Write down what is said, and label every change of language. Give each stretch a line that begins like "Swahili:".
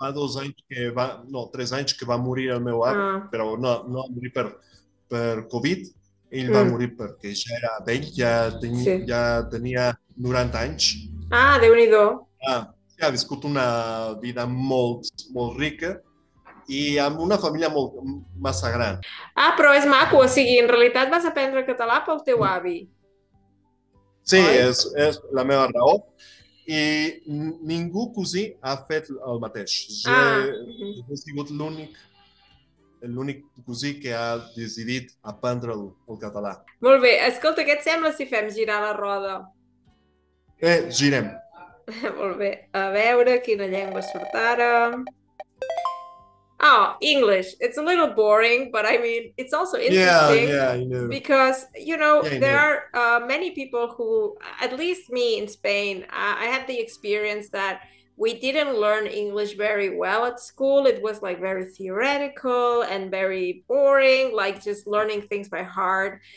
Spanish: va 2 años que va, no, 3 años que va a morir
Catalan: el meu app,
Spanish: pero no, no va a morir
Catalan: per COVID,
Spanish: él va a morir porque ya
Catalan: era vell,
Spanish: Sí. ya tenía 90 años. Ah, de unido.
Catalan: Ha viscut una vida molt, molt rica i amb una família molt, massa gran. Ah, però és maco, o sigui, en realitat vas aprendre català pel teu avi. Sí, Oi? és la meva raó. I ningú cosí ha fet el mateix. Jo Ah. he sigut l'únic cosí que ha decidit aprendre el català. Molt bé, escolta, què et sembla si fem girar la roda? Girem. Molt bé, a veure quina llengua surt ara.
English: Oh, English. It's a little boring, but I mean, it's also interesting Yeah, I know. because, you know, Yeah, I know. there are many people who, at least me in Spain, I had the experience that we didn't learn English very well at school. It was like very theoretical and very boring, like just learning things by heart.